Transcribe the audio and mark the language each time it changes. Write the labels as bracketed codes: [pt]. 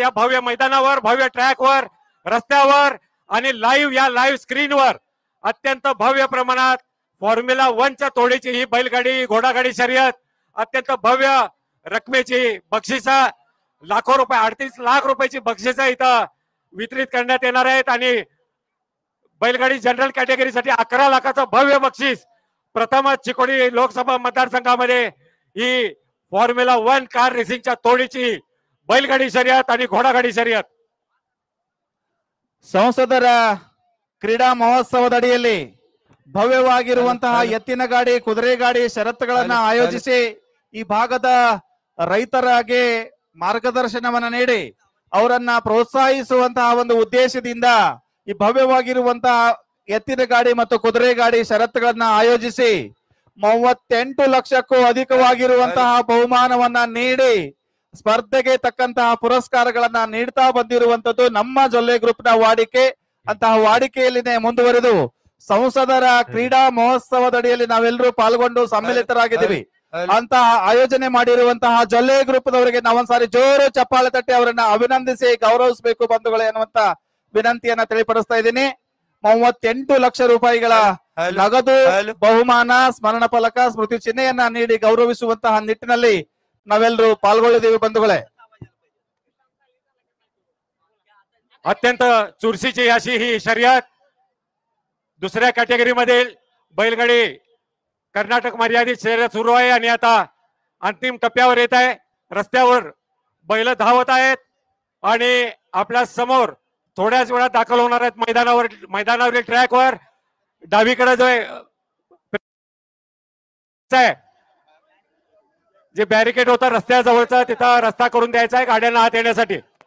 [mr] या भव्य मैदानावर, भव्य ट्रॅकवर, रस्त्यावर आणि लाईव्ह या लाईव्ह स्क्रीनवर अत्यंत भव्य प्रमाणात फॉर्म्युला वन च्या तोडीची ही बैलगाडी घोडागाडी शर्यत अत्यंत भव्य रकमेची बक्षीस लाखो रुपये 38 लाख रुपयाची बक्षीस इथं वितरित करण्यात येणार आहेत आणि बैलगाडी जनरल कॅटेगरी साठी 11 लाखाचं भव्य बक्षीस प्रथमच चिकोडी लोकसभा मतदारसंघामध्ये ही फॉर्म्युला वन कार रेसिंगच्या तोडीची बैलगाडी शर्यत आणि घोडागाडी शर्यत। [kn] संसद क्रीडा महोत्सवद अडियल्ली ಭವ್ಯವಾಗಿರುವಂತಹ ಎತ್ತಿನ ಗಾಡಿ ಕುದುರೆ ಗಾಡಿ ಷರತ್ತುಗಳನ್ನು ಆಯೋಜಿಸಿ ಈ ಭಾಗದ ರೈತರಿಗೆ ಮಾರ್ಗದರ್ಶನವನ್ನು ನೀಡಿ ಅವರನ್ನ ಪ್ರೋತ್ಸಾಹಿಸುವಂತಹ ಒಂದು ಉದ್ದೇಶದಿಂದ ಈ ಭವ್ಯವಾಗಿರುವಂತಹ ಎತ್ತಿನ ಗಾಡಿ ಮತ್ತು ಕುದುರೆ ಗಾಡಿ ಷರತ್ತುಗಳನ್ನು ಆಯೋಜಿಸಿ 38 ಲಕ್ಷಕ್ಕೂ ಅಧಿಕವಾಗಿರುವಂತಹ ಬಹುಮಾನವನ್ನ ನೀಡಿ ಸ್ಪರ್ಧೆಗೆ ತಕ್ಕಂತಹ ಪುರಸ್ಕಾರಗಳನ್ನ ನೀಡ್ತಾ ಬಂದಿರುವಂತದ್ದು ನಮ್ಮ ಜೊಲ್ಲೆ ಗ್ರೂಪ್ನ ವಾಡಿಕೆ ಅಂತಹ ವಾಡಿಕೆಯಲ್ಲಿನೇ ಮುಂದುವರೆದು ಸಂಸದರ ಕ್ರೀಡಾ ಮಹೋತ್ಸವದಡಿಯಲ್ಲಿ ನಾವೆಲ್ಲರೂ ಪಾಲ್ಗೊಂಡು ಸಮ್ಮಿಲಿತರಾಗಿದ್ದೀವಿ ಅಂತ ಆಯೋಜನೆ ಮಾಡಿರುವಂತಹ ಜೊಲ್ಲೆ ಗ್ರೂಪ್ನವರಿಗೆ ನಾವೊಂದ್ಸಾರಿ ಜೋರು ಚಪ್ಪಾಳೆ ತಟ್ಟಿ ಅವರನ್ನ ಅಭಿನಂದಿಸಿ ಗೌರವಿಸಬೇಕು ಬಂಧುಗಳು ಎನ್ನುವಂತ ವಿನಂತಿಯನ್ನ ತಿಳಿಪಡಿಸ್ತಾ ಇದ್ದೀನಿ। 38 ಲಕ್ಷ ರೂಪಾಯಿಗಳ ನಗದು ಬಹುಮಾನ ಸ್ಮರಣ ಫಲಕ ಸ್ಮೃತಿ ಚಿಹ್ನೆಯನ್ನ ನೀಡಿ ಗೌರವಿಸುವಂತಹ ನಿಟ್ಟಿನಲ್ಲಿ ನಾವೆಲ್ಲರೂ ಪಾಲ್ಗೊಳ್ಳಿದ್ದೀವಿ ಬಂಧುಗಳೇ। [mr] ಅತ್ಯಂತ ಚುರ್ಸಿಚಿ ಅಶಿ ಹಿ ಶರಿಯತ್ दुसऱ्या कॅटेगरी मध्ये बैलगाडी कर्नाटक मर्यादित शर्यत सुरू आहे आणि आता अंतिम टप्प्यावर येत आहे। रस्त्यावर बैल धावत आहेत आणि आपल्या समोर थोड्याच वेळात दाखल होणार आहेत मैदानावर मैदानावरील ट्रॅकवर डावीकडे जो आहे जे बॅरिकेड होतं रस्त्याजवळचा तिथं रस्ता करून द्यायचा आहे गाड्यांना हात येण्यासाठी।